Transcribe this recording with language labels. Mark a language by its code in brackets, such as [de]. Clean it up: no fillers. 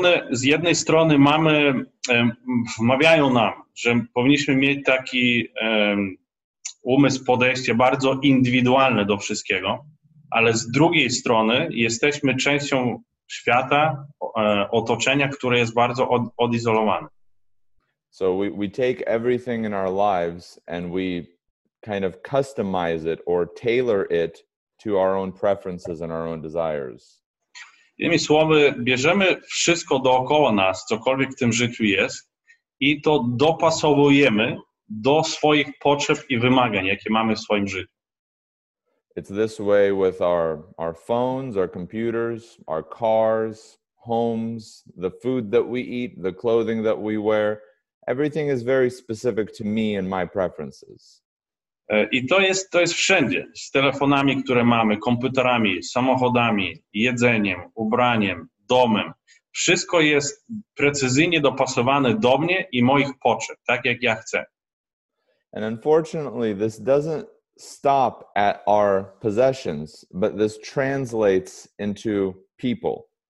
[pl] Z jednej strony mamy, wmawiają nam, że powinniśmy mieć taki umysł, podejście bardzo indywidualne do wszystkiego, ale z drugiej strony jesteśmy częścią świata, otoczenia, które jest bardzo odizolowane. [en] So we take everything in our lives and we kind of customize it or tailor it to our own preferences and our own desires. [pl] Innymi słowy, bierzemy wszystko dookoła nas, cokolwiek w tym życiu jest, i to dopasowujemy do swoich potrzeb i wymagań, jakie mamy w swoim życiu. [en] It's this way with our phones, our computers, our cars, homes, the food that we eat, the clothing that we wear. Everything is very specific to me and my preferences. [pl] I to jest wszędzie, z telefonami, które mamy, komputerami, samochodami, jedzeniem, ubraniem, domem. Wszystko jest precyzyjnie dopasowane do mnie i moich potrzeb, tak jak ja chcę. [en] And unfortunately, this doesn't stop at our possessions, but this translates into people.